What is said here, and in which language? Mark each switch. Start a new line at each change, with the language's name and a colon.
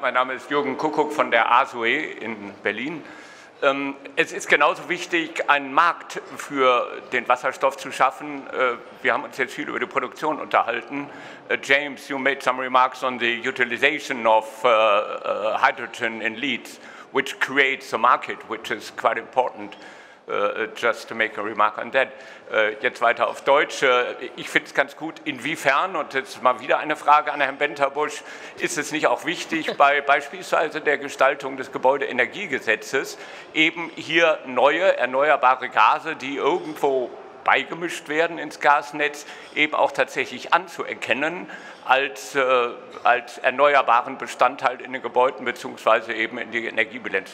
German: Mein Name ist Jürgen Kuckuck von der ASUE in Berlin. Es ist genauso wichtig, einen Markt für den Wasserstoff zu schaffen. Wir haben uns jetzt viel über die Produktion unterhalten.
English: James, you made some remarks on the utilization of hydrogen in Leeds, which creates a market, which is quite important. Just to make a remark on that.
German: Jetzt weiter auf Deutsch. Ich finde es ganz gut, inwiefern, und jetzt mal wieder eine Frage an Herrn Benterbusch, ist es nicht auch wichtig, bei beispielsweise der Gestaltung des Gebäudeenergiegesetzes eben hier neue erneuerbare Gase, die irgendwo beigemischt werden ins Gasnetz, eben auch tatsächlich anzuerkennen als erneuerbaren Bestandteil in den Gebäuden beziehungsweise eben in die Energiebilanz.